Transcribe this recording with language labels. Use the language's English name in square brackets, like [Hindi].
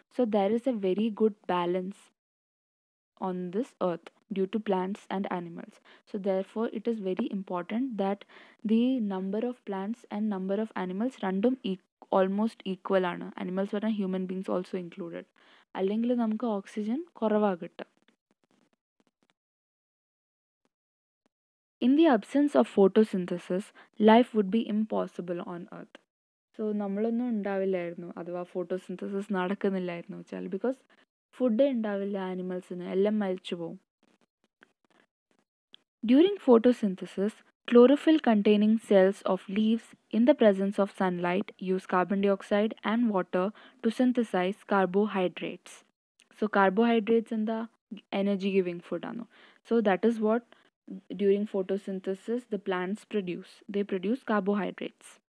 [English] So there is a very good balance on this earth due to plants and animals. So therefore it is very important that the number of plants and number of animals [Malayalam] രണ്ടും [English] Almost equal ആണ്. [Malayalam] Animals പറഞ്ഞാൽ [English] Human beings also included. [Malayalam] അല്ലെങ്കിൽ നമുക്ക് oxygen കുറവാണ് കിട്ടുക. [English] In the absence of photosynthesis, life would be impossible on Earth. [Malayalam] So, നമ്മളൊന്നും ഉണ്ടാവില്ലായിരുന്നു, അഥവാ photosynthesis നടക്കുന്നില്ലായിരുന്നു വെച്ചാൽ, ബിക്കോസ് ഫുഡ് ഉണ്ടാവില്ല ആനിമൽസിന്, എല്ലാം മരിച്ചു പോവും. [English] During photosynthesis chlorophyll containing cells of leaves in the presence of sunlight use carbon dioxide and water to synthesize carbohydrates. [Malayalam] So carbohydrates എന്താ, energy giving ഫുഡാണ്. [English] So that is what during photosynthesis the plants produce, they produce carbohydrates.